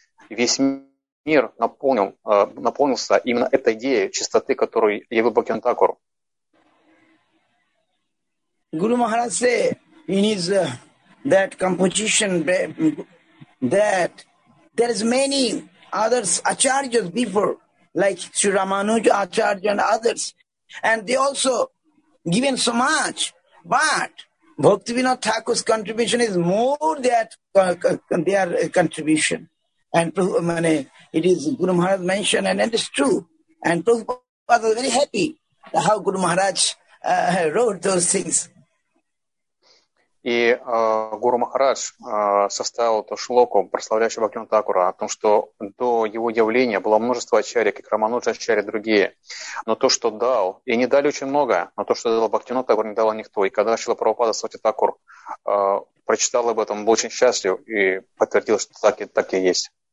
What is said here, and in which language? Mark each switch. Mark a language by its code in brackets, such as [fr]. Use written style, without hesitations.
[ru] Весь мир наполнился именно этой идеей чистоты, которую явил Бхактивинода Такур. Гуру Махарадж сказал, [en] in his that composition, that there is many others, acharyas before, like Sri Ramanuja Acharya and others. And they also given so much. But Bhaktivinoda Thakur's contribution is more than their contribution. And it is Guru Maharaj mentioned, and it's true. And Prabhupada was very happy how Guru Maharaj wrote those things. [ru] И Гуру Махарадж составил эту шлоку, прославляющую Бхактивинода Такура, о том, что до его явления было множество ачарий, как Рамануджа ачарий, другие. Но то, что дал, и не дали очень много, но то, что дал Бхактивинода Такур, не дало никто. И когда Шрила Прабхупада Сарасвати Такур прочитал об этом, он был очень счастлив и подтвердил, что так и есть.